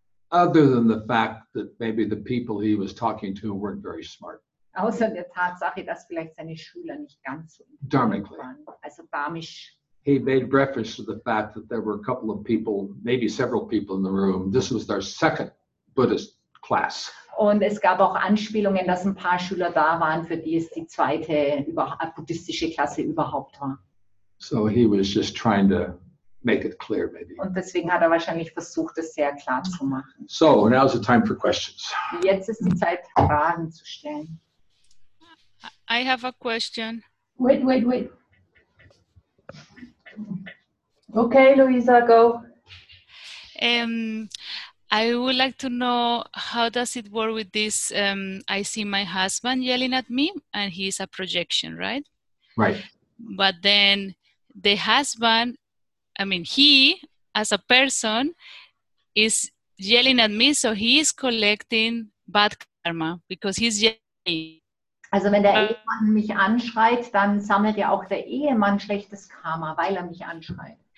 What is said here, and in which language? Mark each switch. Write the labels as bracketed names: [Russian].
[English] Other than the fact that maybe the people he was talking to weren't very smart. [German] Außer der Tatsache, dass vielleicht seine Schüler nicht ganz so [English] dharmically [German] waren, also dharmisch. [English] He made reference to the fact that there were a couple of people, maybe several people in the room. This was their second Buddhist class. [German] Und es gab auch Anspielungen, dass ein paar Schüler da waren, für die es die zweite buddhistische Klasse überhaupt war. [English] So he was just trying to make it clear, maybe. [German] Und deswegen hat er wahrscheinlich versucht, es sehr klar zu machen. [English] So, now's the time for questions. [German] Jetzt ist die Zeit, Fragen zu stellen. [English] I have a question. Wait. Okay, Luisa, go. I would like to know, how does it work with this? I see my husband yelling at me, and he's a projection, right? Right. But then the husband, I mean, he, as a person, is yelling at me, so he is collecting bad karma, because he's yelling. [German] Also wenn der Ehemann mich anschreit, dann sammelt ja auch der Ehemann schlechtes Karma, weil er mich anschreit.